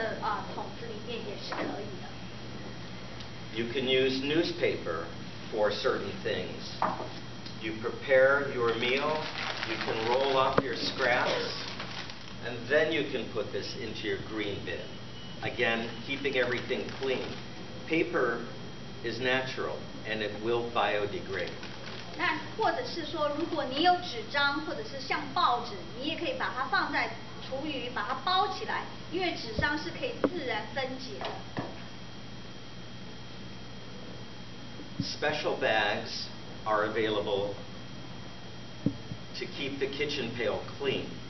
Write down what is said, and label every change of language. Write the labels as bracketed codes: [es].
[zh] 那事实上呢，如果你有纸的那个牛奶盒，或者是任何就是说外带的食品盒，那你都可以用它来装你的厨余，然后到时候整个把它放在绿色的桶子里面也是可以的。 [en] You can use newspaper for certain things. You prepare your meal, you can roll up your scraps, and then you can put this into your green bin. Again, keeping everything clean. Paper is natural, and it will biodegrade. [zh] 那或者是说，如果你有纸张，或者是像报纸，你也可以把它放在厨余，把它包起来，因为纸张是可以自然分解的。 [en] Special bags are available to keep the kitchen pail clean.